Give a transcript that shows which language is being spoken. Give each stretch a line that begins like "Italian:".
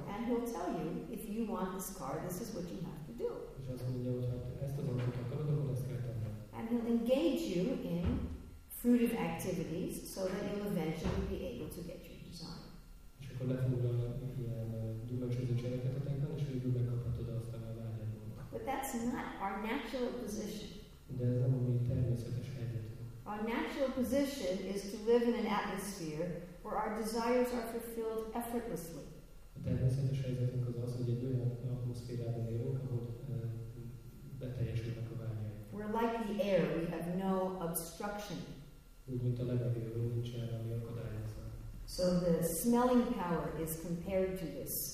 English: And he'll tell you, if you want this car, this is what you have to do.
Hungarian: És azt mondja, hogy hát ezt az autót akarod, akkor ezt kell tenni.
English: And he'll engage you in fruitive activities so that you'll eventually be able to get your desire.
Hungarian: Akkor lefoglalja ilyen gyümölcsöző cseleket a tenkben, és végül megkaphatod aztán a vágyadból.
English: But that's not our natural position.
Hungarian: De ez nem a mi természetes helyzetünk.
English: Our natural position is to live in an atmosphere where our desires are fulfilled effortlessly.
Hungarian: A természetes helyzetünk az az, hogy egy olyan atmoszférában élünk, ahol beteljesülnek a vágyai.
English: We're like the air, we have no obstruction.
Hungarian: Úgy, mint a levegőről nincsen, ami akadályozza.
English: So the smelling power is compared to this.